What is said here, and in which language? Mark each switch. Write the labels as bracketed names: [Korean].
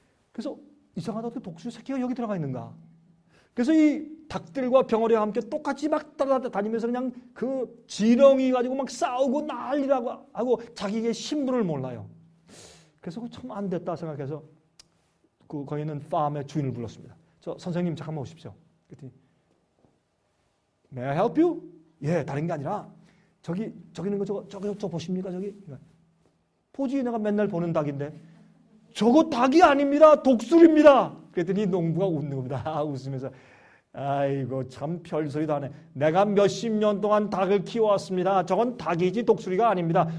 [Korean] 그래서 이상하다. 그 독수리 새끼가 여기 들어가 있는가. 그래서 이 닭들과 병아리와 함께 똑같이 막 따라다니면서 그냥 그 지렁이 가지고 막 싸우고 난리라고 하고 자기의 신분을 몰라요. 그래서 참 안 됐다 생각해서 그 거기 있는 팜의 주인을 불렀습니다. 저 선생님 잠깐만 오십시오. 그랬더니 [English] May I help you? [Korean] 예, 다른 게 아니라 저기 있는 거 저 보십니까? 저기 보지 내가 맨날 보는 닭인데 저거 닭이 아닙니다. 독수리입니다. 그랬더니 농부가 웃는 겁니다. 웃으면서 아이고 참 별소리도 하네. 내가 몇십 년 동안 닭을 키워왔습니다. 저건 닭이지 독수리가 아닙니다.